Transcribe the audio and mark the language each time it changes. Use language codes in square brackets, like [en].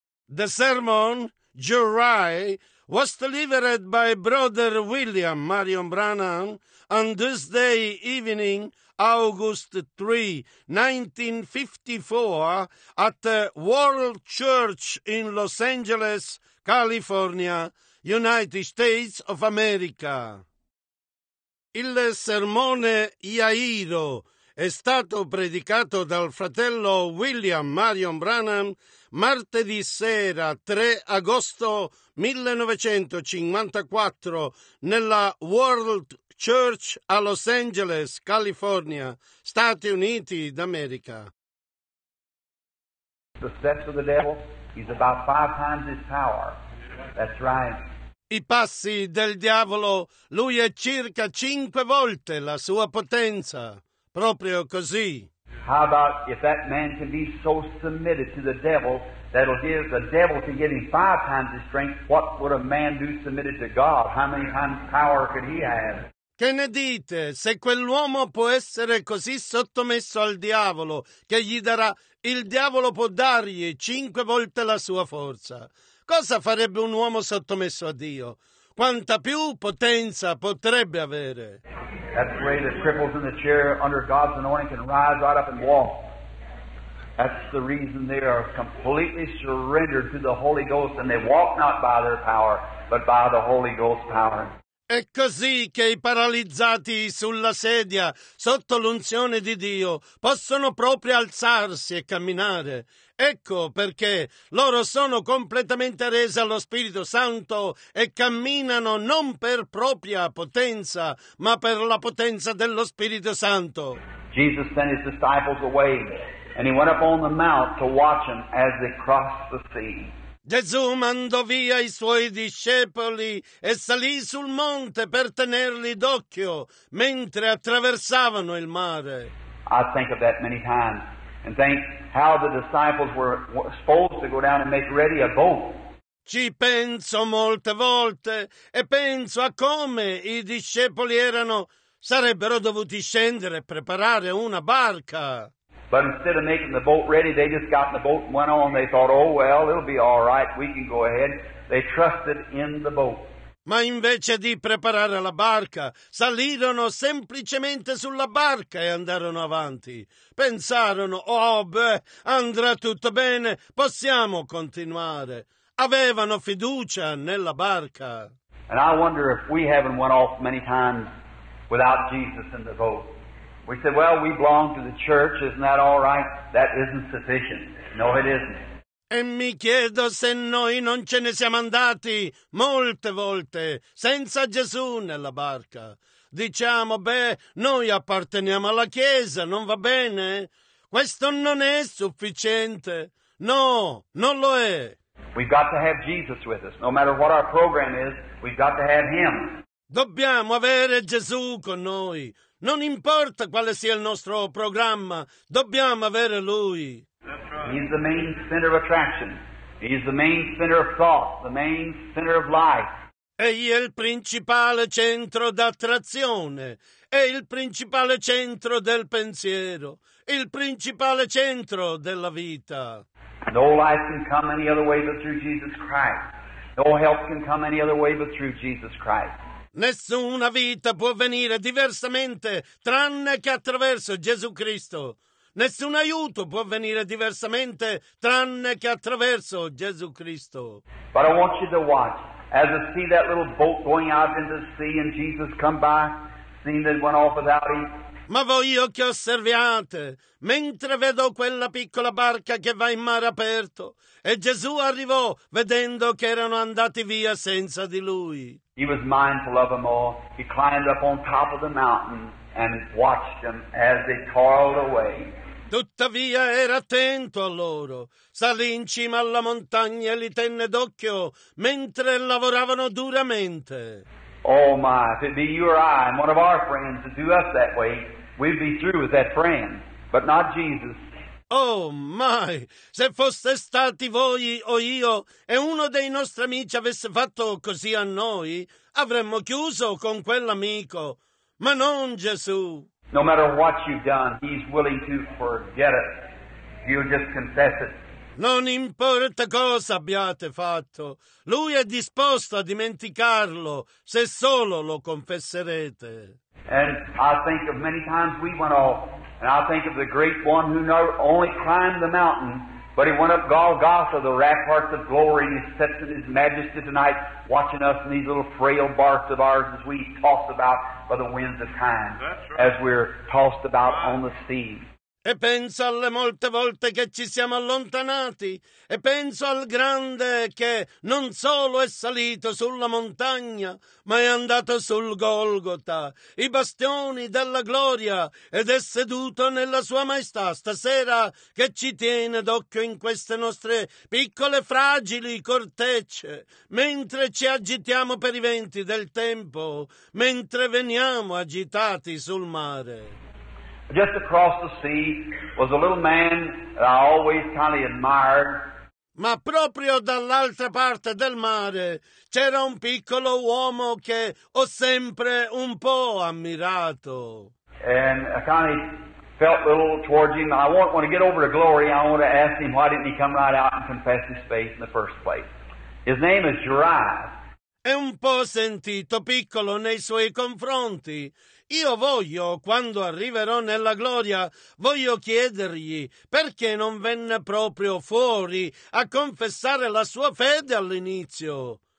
[en] The sermon, Jurai, was delivered by Brother William Marion Branham on Tuesday evening, August 3, 1954, at World Church in Los Angeles, California, United States of America. [it] Il sermone Jairo è stato predicato dal fratello William Marion Branham martedì sera 3 agosto 1954 nella World Church a Los Angeles, California, Stati Uniti d'America. [en] The steps of the devil is about 5 times his power. That's right. [it] I passi del diavolo, lui è circa 5 volte la sua potenza. Proprio così. [en] How about if that man can be so submitted to the devil that it'll give the devil to give him 5 times his strength, what would a man do submitted to God? How many times power could he have? [it] Che ne dite se quell'uomo può essere così sottomesso al diavolo che gli darà, il diavolo può dargli 5 volte la sua forza? Cosa farebbe un uomo sottomesso a Dio? Quanta più potenza potrebbe avere? [en] That's the way the cripples in the chair under God's anointing can rise right up and walk. That's the reason they are completely surrendered to the Holy Ghost and they walk not by their power, but by the Holy Ghost's power. [it] È così che i paralizzati sulla sedia, sotto l'unzione di Dio, possono proprio alzarsi e camminare. Ecco perché loro sono completamente resi allo Spirito Santo e camminano non per propria potenza, ma per la potenza dello Spirito Santo. [en] Jesus sent his disciples away, and he went up on the mount to watch them as they crossed the sea. [it] Gesù mandò via i suoi discepoli e salì sul monte per tenerli d'occhio mentre attraversavano il mare. [en] I think of that many times and think how the disciples were supposed to go down and make ready a boat. [it] Ci penso molte volte e penso a come i discepoli sarebbero dovuti scendere e preparare una barca. [en] But instead of making the boat ready, they just got in the boat and went on. They thought, oh, well, it'll be all right. We can go ahead. They trusted in the boat. [it] Ma invece di preparare la barca, salirono semplicemente sulla barca e andarono avanti. Pensarono, oh, beh, andrà tutto bene. Possiamo continuare. Avevano fiducia nella barca. [en] And I wonder if we haven't went off many times without Jesus in the boat. We said, well, we belong to the church, isn't that all right? That isn't sufficient. No, it isn't. [it] E mi chiedo se noi non ce ne siamo andati molte volte senza Gesù nella barca. Diciamo, beh, noi apparteniamo alla Chiesa, non va bene? Questo non è sufficiente. No, non lo è. [en] We've got to have Jesus with us. No matter what our program is, we've got to have him. [it] Dobbiamo avere Gesù con noi. Non importa quale sia il nostro programma, dobbiamo avere Lui. [en] He's the main center of attraction. He's the main center of thought, the main center of life. [it] Egli è il principale centro d'attrazione, è il principale centro del pensiero, il principale centro della vita. [en] No life can come any other way but through Jesus Christ. No help can come any other way but through Jesus Christ. [it] Nessuna vita può venire diversamente tranne che attraverso Gesù Cristo. Nessun aiuto può venire diversamente tranne che attraverso Gesù Cristo. [en] But I want you to watch as I see that little boat going out into the sea and Jesus come by, seeing that it went off without him. [it] Ma voglio che osserviate, mentre vedo quella piccola barca che va in mare aperto, e Gesù arrivò vedendo che erano andati via senza di lui. [en] He was mindful of them all. He climbed up on top of the mountain and watched them as they toiled away. [it] Tuttavia era attento a loro. Salì in cima alla montagna e li tenne d'occhio mentre lavoravano duramente. [en] Oh my, if it be you or I and one of our friends to do us that way, we'd be through with that friend, but not Jesus. [it] Oh, mai! Se foste stati voi o io e uno dei nostri amici avesse fatto così a noi, avremmo chiuso con quell'amico, ma non Gesù. No matter what you've done, he's willing to forget it. You just confess it. Non importa cosa abbiate fatto, lui è disposto a dimenticarlo se solo lo confesserete. [en] And I think of many times we went off, and I think of the great one who not only climbed the mountain, but he went up Golgotha, the ramparts of glory, and he sits in his majesty tonight, watching us in these little frail barks of ours as we toss about by the winds of time, right, as we're tossed about on the sea. [it] E penso alle molte volte che ci siamo allontanati, e penso al grande che non solo è salito sulla montagna, ma è andato sul Golgota, i bastioni della gloria, ed è seduto nella sua maestà stasera, che ci tiene d'occhio in queste nostre piccole fragili cortecce, mentre ci agitiamo per i venti del tempo, mentre veniamo agitati sul mare. [en] Just across the sea was a little man that I always kind of admired. [it] Ma proprio dall'altra parte del mare c'era un piccolo uomo che ho sempre un po' ammirato. [en] And I kind of felt a little towards him. I want to get over to glory. I want to ask him, why didn't he come right out and confess his faith in the first place? His name is Jairus. [it] È un po' sentito piccolo nei suoi confronti. Io voglio, quando arriverò nella gloria, voglio chiedergli perché non venne proprio fuori a confessare la sua fede all'inizio.